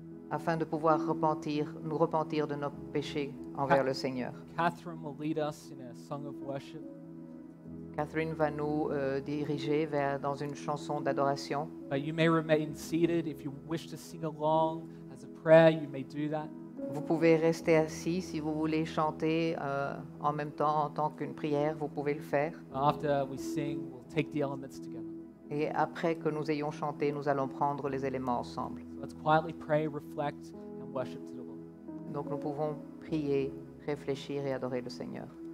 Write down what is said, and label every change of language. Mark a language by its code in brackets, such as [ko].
[fr] Afin de pouvoir nous repentir de nos péchés envers le Seigneur. [en] Catherine will lead us in a song of worship. [fr] Catherine va nous diriger dans une chanson d'adoration. [en] But you may remain seated if you wish to sing along as a prayer. You may do that. [fr] Vous pouvez rester assis si vous voulez chanter en même temps en tant qu'une prière. Vous pouvez le faire. [en] After we sing, we'll take the elements together. [fr] Et après que nous ayons chanté, nous allons prendre les éléments ensemble. [en] So let's quietly pray, reflect, and worship to the Lord. [fr] Donc nous pouvons prier, réfléchir et adorer le Seigneur.